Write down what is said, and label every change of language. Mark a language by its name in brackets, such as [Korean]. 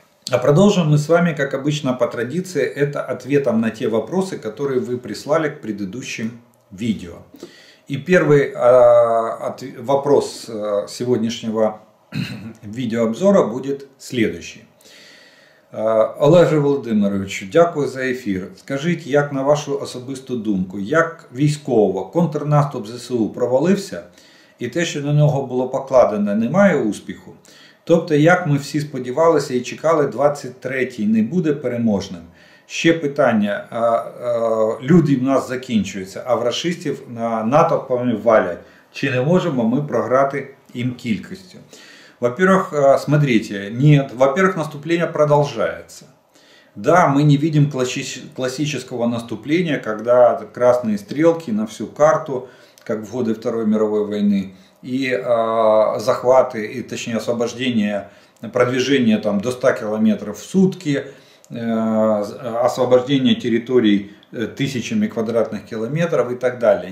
[Russian] А продолжим мы с вами, как обычно, по традиции, это ответом на те вопросы, которые вы прислали к предыдущим видео. И первый вопрос сегодняшнего видеообзора будет следующий. [Ukrainian] Олеже Володимировичу, дякую за ефір. Скажіть, як на вашу особисту думку, як військово контрнаступ ЗСУ провалився і те, що на нього було покладено, не має успіху? Тобто, як ми всі сподівалися і чекали, 23-й не буде переможним? Ще питання, люди в нас закінчуються, а в рашистів на НАТО валять. Чи не можемо ми програти їм кількістю? [Russian] Во-первых, смотрите, нет, во-первых, наступление продолжается. Да, мы не видим классического наступления, когда красные стрелки на всю карту, как в годы Второй мировой войны, и захваты, и точнее освобождение, продвижение там, до 100 километров в сутки, освобождение территорий тысячами квадратных километров и так далее.